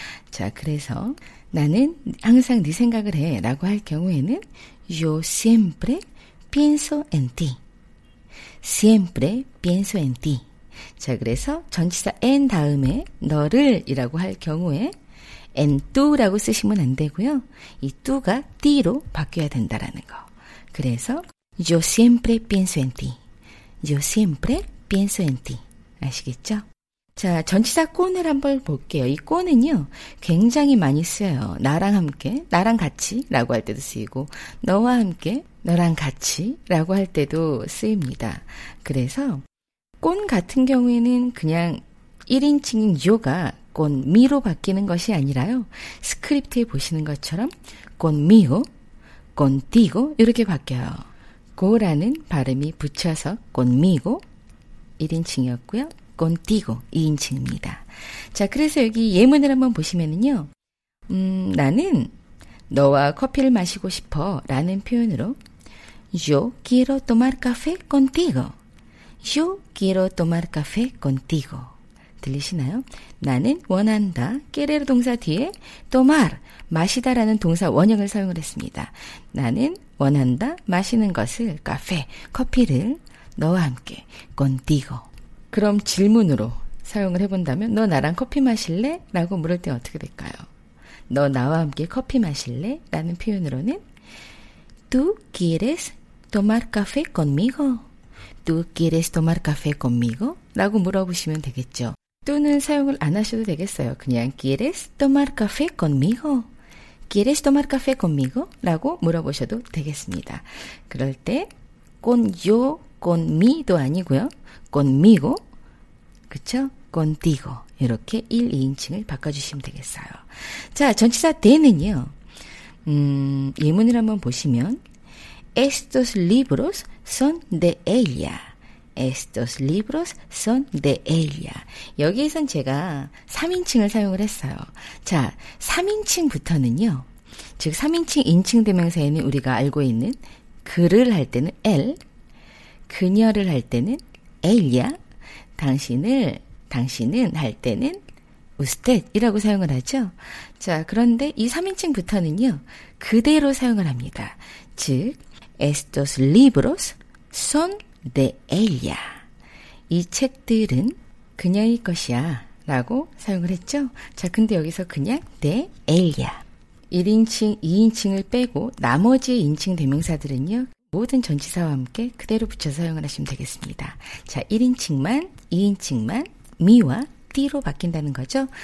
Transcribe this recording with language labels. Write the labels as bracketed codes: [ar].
[ko] 자, 그래서 나는 항상 네 생각을 해 라고 할 경우에는 [es] Yo siempre pienso en ti. Siempre pienso en ti. [ko] 자, 그래서 전치사 en 다음에 너를 이라고 할 경우에 en tu 라고 쓰시면 안 되고요. 이 tu가 ti로 바뀌어야 된다라는 거. [es] 그래서 Yo siempre pienso en ti. Yo siempre pienso en ti. 아시겠죠? [ko] 자, 전치사 con을 한번 볼게요. 이 con은요, 굉장히 많이 쓰여요. 나랑 함께, 나랑 같이 라고 할 때도 쓰이고, 너와 함께, 너랑 같이 라고 할 때도 쓰입니다. 그래서 con 같은 경우에는 그냥 1인칭인 요가 con mi로 바뀌는 것이 아니라요. 스크립트에 보시는 것처럼 con mio, contigo 이렇게 바뀌어요. go라는 발음이 붙여서 conmigo 1인칭이었고요. contigo 2인칭입니다. 자, 그래서 여기 예문을 한번 보시면은요. 나는 너와 커피를 마시고 싶어 라는 표현으로 [es] Yo quiero tomar café contigo. Yo quiero tomar café contigo. [ko] 들리시나요? 나는 원한다. querer 동사 뒤에 tomar, 마시다라는 동사 원형을 사용을 했습니다. 나는 원한다. 마시는 것을 café, 커피를 너와 함께 contigo. 그럼 질문으로 사용을 해본다면 너 나랑 커피 마실래? 라고 물을 때 어떻게 될까요? 너 나와 함께 커피 마실래? [es] 라는 표현으로는 Tú quieres tomar café conmigo? Tú quieres tomar café conmigo? [ko] 라고 물어보시면 되겠죠. 또는 사용을 안 하셔도 되겠어요. [es] 그냥 Quieres tomar café conmigo? Quieres tomar café conmigo? [ko] 라고 물어보셔도 되겠습니다. 그럴 때 con yo, con mi도 아니고요. conmigo, 그쵸? contigo, 이렇게 1, 2인칭을 바꿔주시면 되겠어요. 자, 전치사 de는요, 예문을 한번 보시면 [es] Estos libros son de ella. Estos libros son de ella. [ko] 여기에선 제가 3인칭을 사용을 했어요. 자, 3인칭부터는요, 즉 3인칭, 인칭 대명사에는 우리가 알고 있는 그를 할 때는 el, 그녀를 할 때는 엘리아, 당신은 할 때는 usted 이라고 사용을 하죠. 자, 그런데 이 3인칭부터는요, 그대로 사용을 합니다. [es] 즉, estos libros son de ella. [ko] 이 책들은 그녀의 것이야 라고 사용을 했죠. 자, 근데 여기서 그냥 de ella. 1인칭, 2인칭을 빼고 나머지 인칭 대명사들은요, 모든 전치사와 함께 그대로 붙여서 사용을 하시면 되겠습니다. 자, 1인칭만, 2인칭만 me와 t로 바뀐다는 거죠.